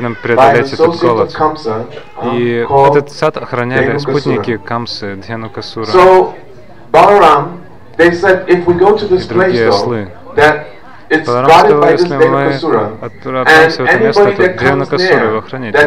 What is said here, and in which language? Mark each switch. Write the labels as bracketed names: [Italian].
[Russian] нам преодолеть этот голод. И этот сад охраняли спутники Камсы, Дхенукасура. [English] So Balaram, they said, if we go to this place, that [Russian] Баларам сказал, если мы отправимся в это место, то Дхенукасура его охранит.